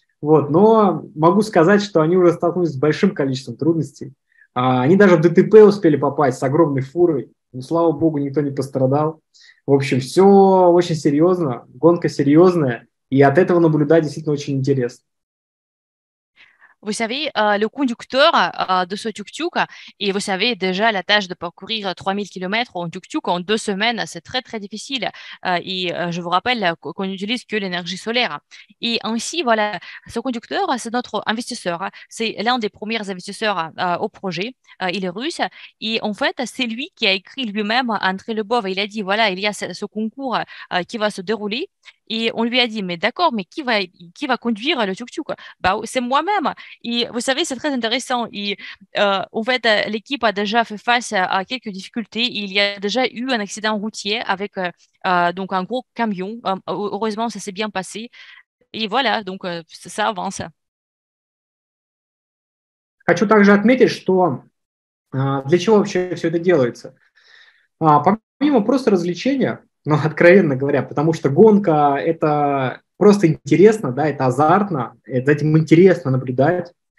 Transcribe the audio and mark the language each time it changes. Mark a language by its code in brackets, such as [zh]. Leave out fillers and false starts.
[ru] Вот, но могу сказать, что они уже столкнулись с большим количеством трудностей. Они даже в ДТП успели попасть с огромной фурой. Но, слава богу, никто не пострадал. В общем, все очень серьезно. Гонка серьезная. И от этого наблюдать действительно очень интересно. [fr] Vous savez, le conducteur de ce tuk-tuk, et vous savez déjà la tâche de parcourir 3000 km en tuk-tuk en 2 semaines, c'est très, très difficile. Et je vous rappelle qu'on n'utilise que l'énergie solaire. Et ainsi, voilà, ce conducteur, c'est notre investisseur. C'est l'un des premiers investisseurs au projet. Il est russe. Et en fait, c'est lui qui a écrit lui-même André Lebov. Il a dit, voilà, il y a ce concours qui va se dérouler. Et on lui a dit, mais d'accord, mais qui va conduire le tuk-tuk? Bah, c'est moi-même. Et vous savez, c'est très intéressant. Et en fait, l'équipe a déjà fait face à quelques difficultés. Il y a déjà eu un accident routier avec donc un gros camion. Heureusement, ça s'est bien passé. Et voilà, donc ça avance. [ru] Хочу также отметить, что для чего вообще все это делается. Помимо просто развлечения, ну, откровенно говоря, потому что гонка – это просто интересно, да, это азартно, за этим интересно наблюдать.